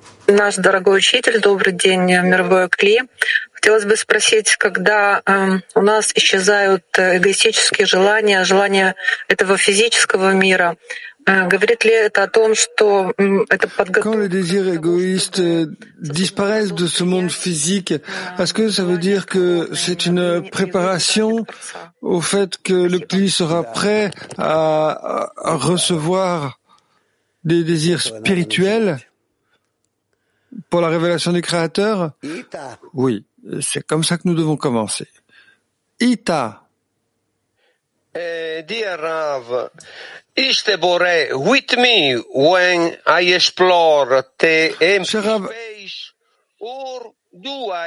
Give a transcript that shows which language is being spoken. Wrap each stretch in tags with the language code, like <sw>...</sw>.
<ru>Наш дорогой учитель, добрый день, мировой Кли. Хотелось бы спросить, когда у нас исчезают эгоистические желания, желания этого физического мира, говорит ли это о том, что это подготовка?</ru> <fr>Quand les désirs égoïstes disparaissent de ce monde physique, est-ce que ça veut dire que c'est une préparation au fait que le Кли sera prêt à recevoir des désirs spirituels? pour la révélation du Créateur? Oui, c'est comme ça que nous devons commencer. Ita.</fr> <en>Dear Rav, is the Bore with me when I explore the space or do I?</en>